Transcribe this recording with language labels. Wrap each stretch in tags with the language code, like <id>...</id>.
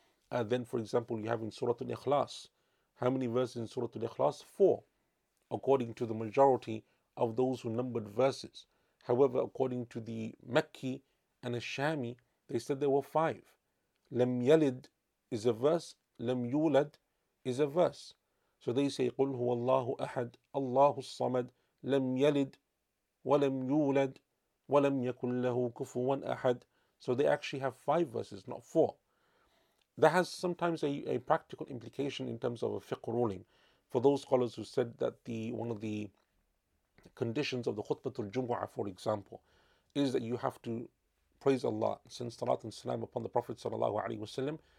<en>Then for example, you have in Surah Al-Ikhlas, how many verses in Surah Al-Ikhlas? Four, according to the majority of those who numbered verses. However, according to the Makki and Ash-Shami, they said there were five.</en> <ar>Lam yalid</ar> <en>is a verse.</en> <ar>Lam yulad</ar> <en>is a verse.</en> <ar>So they say, قُلْ هُوَ اللَّهُ أَحَدْ اللَّهُ الصَّمَدْ لَمْ يَلِدْ وَلَمْ يُولَدْ وَلَمْ يَكُلْ لَهُ كُفُوًا أَحَدْ.</ar> <en>So they actually have five verses, not four. That has sometimes a practical implication in terms of a fiqh ruling. For those scholars who said that one of the conditions of the khutbatul jumu'ah, for example, is that you have to praise Allah, send salat and salam upon the Prophet sallallahu alaihi wasallam.</en>